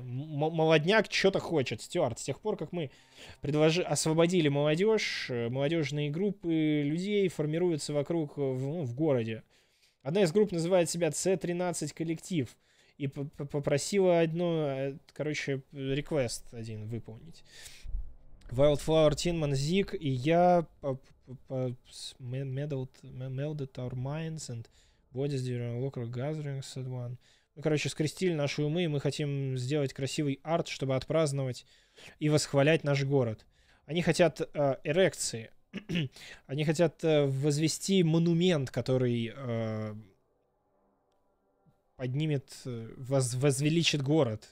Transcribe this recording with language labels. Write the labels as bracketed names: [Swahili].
[Russian] Молодняк что-то хочет, Стюарт. С тех пор, как мы освободили молодежь, молодежные группы людей формируются вокруг, ну, в городе. Одна из групп называет себя C13 коллектив. И попросила одну... Короче, реквест один выполнить. Wildflower, Tinman, Zeke и я... [English] melded our minds and bodies during local gatherings at one. [Russian] Мы, короче, скрестили наши умы, и мы хотим сделать красивый арт, чтобы отпраздновать и восхвалять наш город. Они хотят эрекции. Они хотят возвести монумент, который поднимет, возвеличит город.